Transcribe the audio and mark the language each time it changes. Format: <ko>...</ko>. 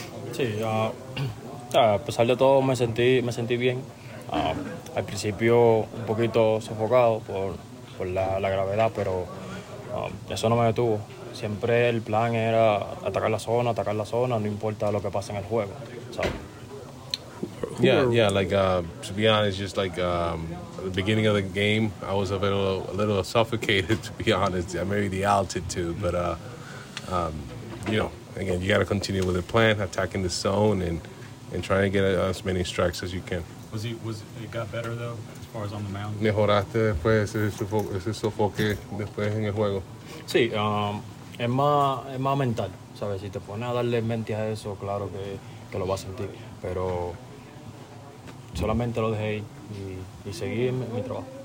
<es>Sí, a pesar de todo me sentí bien. Al principio un poquito sofocado por la gravedad, pero eso no me detuvo. Siempre el plan era atacar la zona, no importa lo que pase en el juego.</es> <en>To be honest, just like at the beginning of the game, I was a little suffocated, to be honest. Maybe the altitude, but again, you got to continue with the plan, attacking the zone, and trying to get as many strikes as you can. Was it got better though, as far as on the mound?</en> <es>Mejoraste después ese sofoque después en el juego. Sí, es más mental, sabes. Si te pones a darle mente a eso, claro que lo vas a sentir, pero solamente lo dejé y seguí mi trabajo.</es>